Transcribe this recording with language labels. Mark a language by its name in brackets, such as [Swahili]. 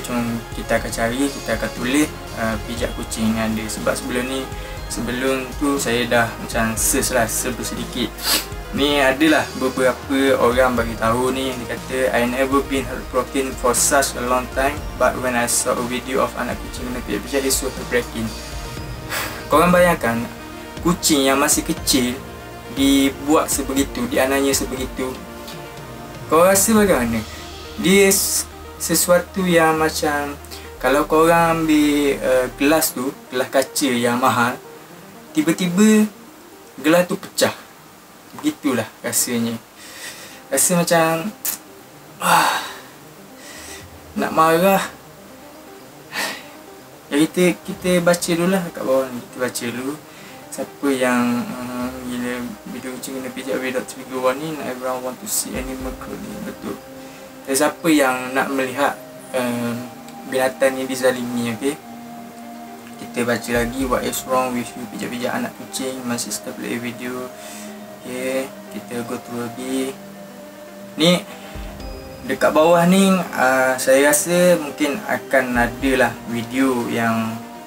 [Malay] Cuma kita akan cari, kita akan tulis pijak kucing yang ada. Sebab sebelum tu saya dah macam search lah sedikit. Ni adalah beberapa orang bagi tahu ni. Dia kata, [English] "I never been heartbroken for such a long time, but when I saw a video of [Malay] anak kucing kena pijak-pijak, [English] it's so heartbreaking." [Malay] Korang bayangkan, kucing yang masih kecil dibuat sebegitu, dianiaya sebegitu. Korang rasa bagaimana? Dia sesuatu yang macam kalau korang ambil gelas tu, gelas kaca yang mahal, tiba-tiba gelas tu pecah. Begitulah rasanya. Rasa macam nak marah. Ya, kita baca dulu lah kat bawah ni. Kita baca dulu siapa yang gila video kucing kena pijak [English] without trigger warning, not everyone want to see animal cruelty. [Malay] Betul. Dan siapa yang nak melihat binatang ni dizalimi, okay? Kita baca lagi, [English] "What is wrong with you [Malay] pijak-pijak anak kucing? [English] My sister play video." Okay, kita go to lagi. [Malay] Ni dekat bawah ni saya rasa mungkin akan adalah video yang